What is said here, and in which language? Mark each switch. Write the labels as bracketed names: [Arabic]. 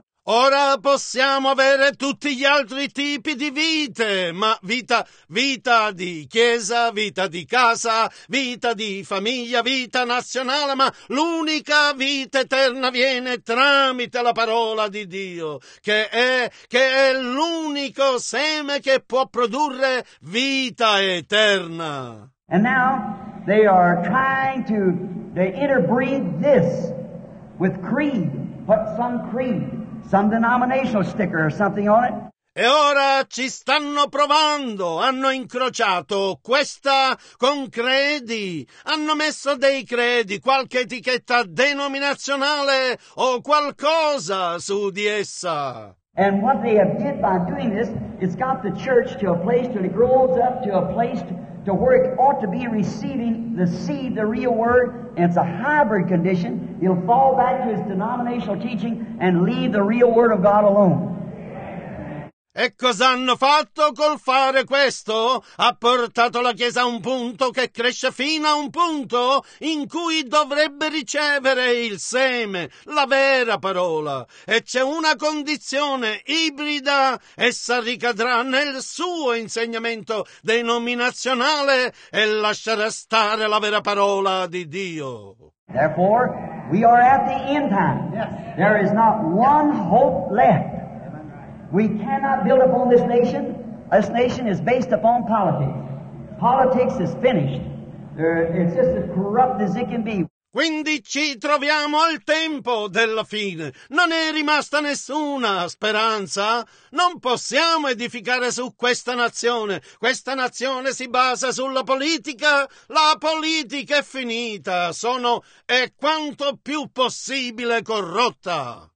[Italian] Ora possiamo avere tutti gli altri tipi di vite, ma vita di chiesa, vita di casa, vita di famiglia, vita nazionale, ma l'unica vita eterna viene tramite la parola di Dio, che è l'unico seme che può produrre vita eterna. [English] And now they are trying to interbreed this with creed, put some creed, some denominational sticker or something on it. [Italian] E ora ci stanno provando, hanno incrociato questa con credi, hanno messo dei credi, qualche etichetta denominazionale o qualcosa su di essa. [English] And what they have did by doing this, it's got the church to a place till it grows up to a place to where it ought to be receiving the seed, the real word, and it's a hybrid condition. It'll fall back to its denominational teaching and leave the real word of God alone. [Italian] E cosa hanno fatto col fare questo? Ha portato la Chiesa a un punto che cresce fino a un punto in cui dovrebbe ricevere il seme, la vera parola. E c'è una condizione ibrida, essa ricadrà nel suo insegnamento denominazionale e lascerà stare la vera parola di Dio. [English] Therefore, we are at the end time. There is not one hope left. We cannot build upon this nation. This nation is based upon politics. Politics is finished. It's just as corrupt as it can be. [Italian] Quindi ci troviamo al tempo della fine. Non è rimasta nessuna speranza. Non possiamo edificare su questa nazione. Questa nazione si basa sulla politica. La politica è finita. È quanto più possibile corrotta.